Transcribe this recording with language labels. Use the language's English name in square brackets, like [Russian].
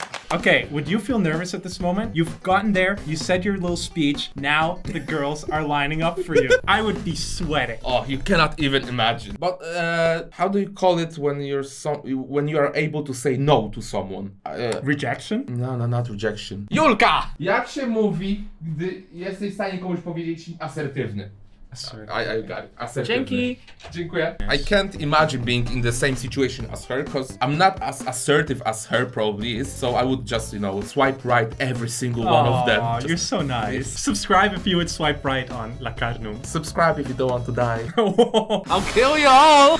[English] Okay, would you feel nervous at this moment? You've gotten there, you said your little speech, now the girls are lining up for you. I would be sweating. Oh, you cannot even imagine. But how do you call it when you're when you are able to say no to someone? Rejection? No, not rejection. Julka! [Polish] Jak się mówi, gdy jesteś w stanie komuś powiedzieć asertywny? [English] I got it. Asertywny. [Polish] Dzięki. Dziękuję. [English] I can't imagine being in the same situation as her because I'm not as assertive as her probably is. So I would just, you know, swipe right every single one of them. Aww, you're so nice. Subscribe if you would swipe right on Lakarnum. Subscribe if you don't want to die. I'll kill you all.